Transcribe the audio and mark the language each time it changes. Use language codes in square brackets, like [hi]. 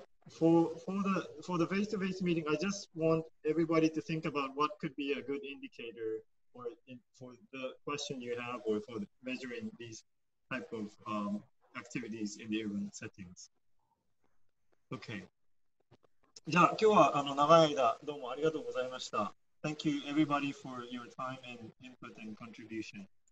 [en] For the face-to-face meeting, I just want everybody to think about what could be a good indicator for the question you have or for measuring these type of activities in the urban settings. Okay. [ja] じゃあ今日は長い間どうもありがとうございました. [en] Thank you everybody for your time and input and contribution.